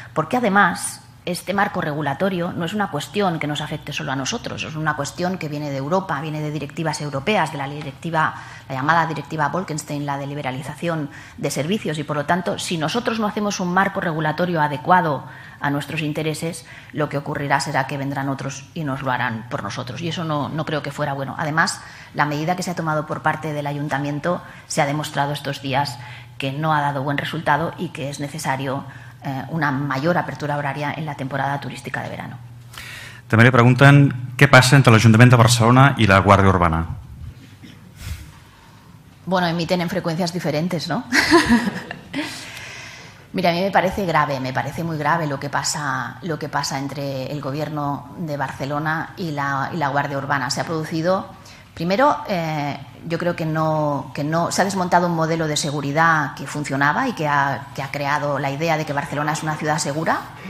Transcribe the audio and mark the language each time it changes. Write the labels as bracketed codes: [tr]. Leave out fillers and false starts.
[es] Porque, además, este marco regulatorio no es una cuestión que nos afecte solo a nosotros, es una cuestión que viene de Europa, viene de directivas europeas, de la directiva, la llamada directiva Bolkestein, la de liberalización de servicios, y por lo tanto, si nosotros no hacemos un marco regulatorio adecuado a nuestros intereses, lo que ocurrirá será que vendrán otros y nos lo harán por nosotros, y eso no creo que fuera bueno. Además, la medida que se ha tomado por parte del ayuntamiento se ha demostrado estos días que no ha dado buen resultado y que es necesario una mayor apertura horaria en la temporada turística de verano. [ca] També li pregunten què passa entre l'Ajuntament de Barcelona i la Guàrdia Urbana. [es] Bueno, emiten en frecuencias diferentes, ¿no? Mira, a mí me parece muy grave lo que pasa entre el gobierno de Barcelona y la Guàrdia Urbana. Se ha producido, primero, yo creo que no se ha desmontado un modelo de seguridad que funcionaba y que ha creado la idea de que Barcelona es una ciudad segura.